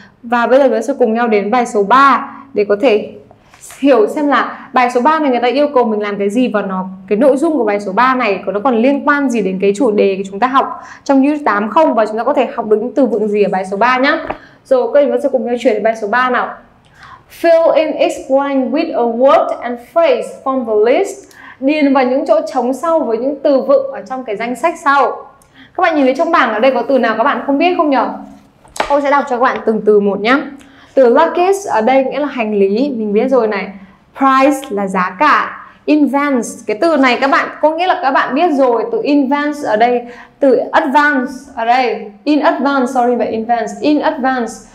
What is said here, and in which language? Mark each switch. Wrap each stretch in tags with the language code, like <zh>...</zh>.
<vi>Và bây giờ chúng ta sẽ cùng nhau đến bài số 3 để có thể hiểu xem là bài số 3 này người ta yêu cầu mình làm cái gì, và nó cái nội dung của bài số 3 này có nó còn liên quan gì đến cái chủ đề chúng ta học trong unit 8 không, và chúng ta có thể học được những từ vựng gì ở bài số 3 nhá. Rồi các bạn sẽ cùng nhau chuyển đến bài số 3 nào.</vi> <en>Fill in explain with a word and phrase from the list.</en> <vi>Điền vào những chỗ trống sau với những từ vựng ở trong cái danh sách sau. Các bạn nhìn thấy trong bảng ở đây có từ nào các bạn không biết không nhỉ? Tôi sẽ đọc cho các bạn từng từ một nhé. Từ luggage ở đây nghĩa là hành lý, mình biết rồi này. Price là giá cả. Advance, cái từ này các bạn có nghĩa là các bạn biết rồi. Từ advance ở đây, từ advance ở đây, in advance, sorry, về advance, in advance.</vi>